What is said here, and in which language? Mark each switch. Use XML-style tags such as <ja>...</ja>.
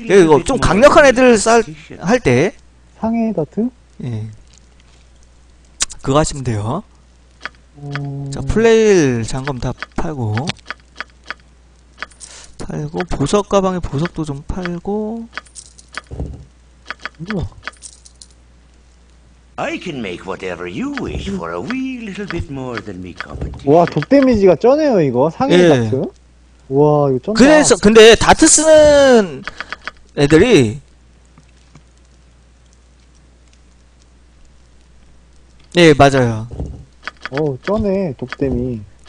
<ko>이거 좀 강력한 애들 쌀 할 때 상해 다트. 예, 그거 하시면 돼요. 자 플레일 장검 다 팔고 팔고 보석 가방에 보석도 좀 팔고.</ko> <en>I can make whatever you wish for a wee little bit more than me competition.</en> <ko>와, 독 데미지가 쩌네요, 이거. 상해 예. 다트. 와, 이거 쩐다. 그래서 근데 다트 쓰는 애들이 네, 맞아요. 어, 쩌네. 독 데미.</ko>